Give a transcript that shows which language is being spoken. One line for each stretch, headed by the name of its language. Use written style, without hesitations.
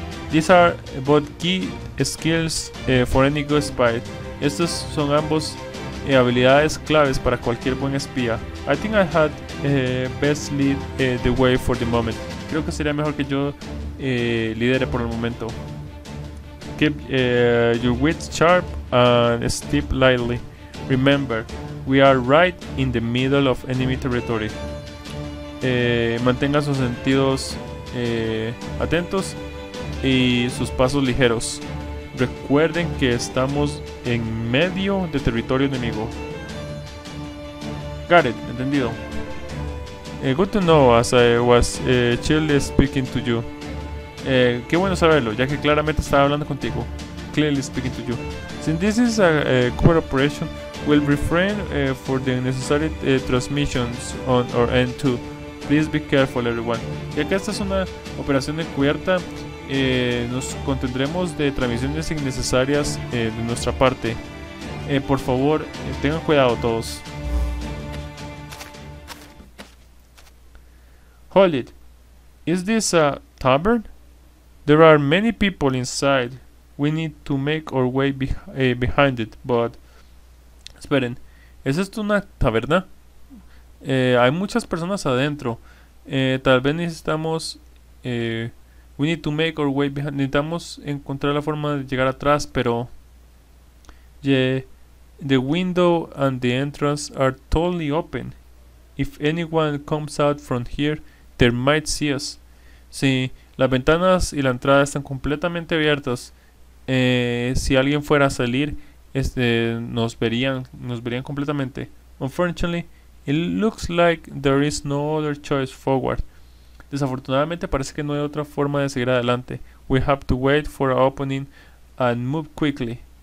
English: These are both key skills for any good spy.
Spanish: Estos son ambos habilidades claves para cualquier buen espía.
English: I think I had best lead the way for the moment.
Spanish: Creo que sería mejor que yo lidere por el momento.
English: Keep your wits sharp and step lightly. Remember, we are right in the middle of enemy territory.
Spanish: Mantenga sus sentidos atentos y sus pasos ligeros. Recuerden que estamos en medio de territorio enemigo.
English: Got it, entendido. Good to know as I was chill speaking to you.
Spanish: Qué bueno saberlo, ya que claramente estaba hablando contigo.
English: Clearly speaking to you. Since this is a covert operation, we'll refrain for the necessary transmissions on our end too. Please be careful, everyone.
Spanish: Ya que esta es una operación encubierta, nos contendremos de transmisiones innecesarias de nuestra parte. Por favor, tengan cuidado todos.
English: Hold it. Is this a tavern? There are many people inside. We need to make our way behind it, but...
Spanish: Esperen. ¿Es esto una taberna? Hay muchas personas adentro. Tal vez necesitamos...
English: We need to make our way behind...
Spanish: Necesitamos encontrar la forma de llegar atrás, pero...
English: The window and the entrance are totally open. If anyone comes out from here... There might see us.
Spanish: Sí, las ventanas y la entrada están completamente abiertas. Si alguien fuera a salir, nos verían completamente.
English: Unfortunately, it looks like there is no other choice forward.
Spanish: Desafortunadamente, parece que no hay otra forma de seguir adelante.
English: We have to wait for an opening and move quickly.